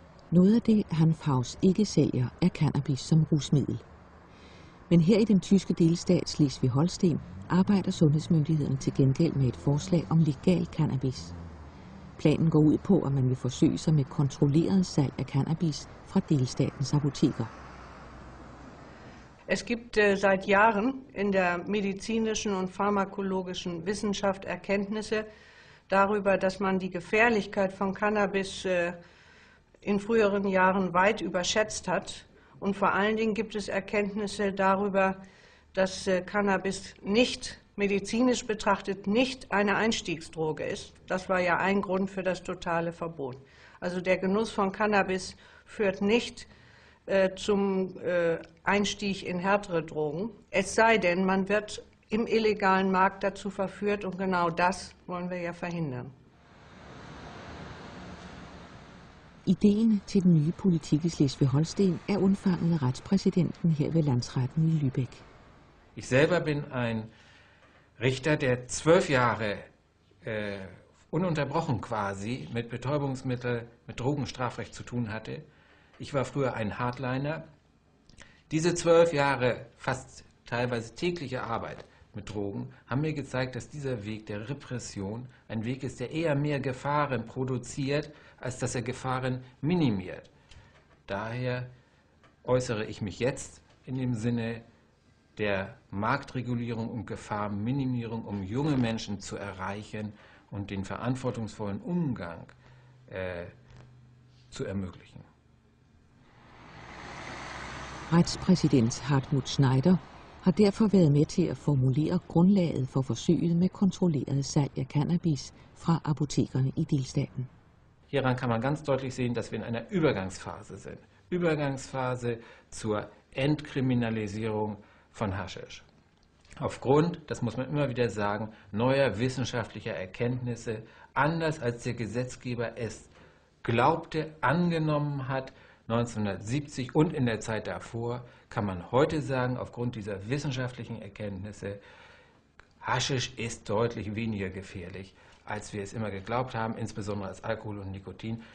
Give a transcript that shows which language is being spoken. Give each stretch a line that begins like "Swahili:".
Danish: Noget af det, Hanf Haus ikke sælger, er cannabis som rusmiddel. Men her i den tyske delstat Schleswig-Holstein arbejder sundhedsmyndigheden til gengæld med et forslag om legal cannabis. Planen går ud på, at man vil forsøge sig med kontrolleret salg af cannabis fra delstatens apoteker.
German: Es gibt seit Jahren in der medizinischen und pharmakologischen Wissenschaft Erkenntnisse darüber, dass man die Gefährlichkeit von Cannabis in früheren Jahren weit überschätzt hat. Und vor allen Dingen gibt es Erkenntnisse darüber, dass Cannabis nicht medizinisch betrachtet nicht eine Einstiegsdroge ist. Das war ja ein Grund für das totale Verbot. Also der Genuss von Cannabis führt nicht zum Einstieg in härtere Drogen. Es sei denn, man wird im illegalen Markt dazu verführt und genau das wollen wir ja verhindern.
Danish: Ideen til den nye politik i Schleswig-Holstein er undfanget af retspræsidenten her ved landsretten i Lübeck.
German: Ich selber bin ein Richter, der 12 Jahre ununterbrochen quasi mit Betäubungsmittel, mit Drogenstrafrecht zu tun hatte. Ich war früher ein Hardliner. Diese 12 Jahre fast teilweise tägliche Arbeit mit Drogen haben mir gezeigt, dass dieser Weg der Repression ein Weg ist, der eher mehr Gefahren produziert, als dass er Gefahren minimiert. Daher äußere ich mich jetzt in dem Sinne der Marktregulierung und Gefahrenminimierung, um junge Menschen zu erreichen und den verantwortungsvollen Umgang zu ermöglichen.
Danish: Retspræsident Hartmut Schneider har derfor været med til at formulere grundlaget for forsøget med kontrolleret salg af cannabis fra apotekerne i delstaten.
German: Hieran kann man ganz deutlich sehen, dass wir in einer Übergangsphase sind. Übergangsphase zur Entkriminalisierung von Haschisch. Aufgrund, das muss man immer wieder sagen, neuer wissenschaftlicher Erkenntnisse, anders als der Gesetzgeber es glaubte, angenommen hat, 1970 und in der Zeit davor, kann man heute sagen, aufgrund dieser wissenschaftlichen Erkenntnisse, Haschisch ist deutlich weniger gefährlich, als wir es immer geglaubt haben, insbesondere als Alkohol und Nikotin.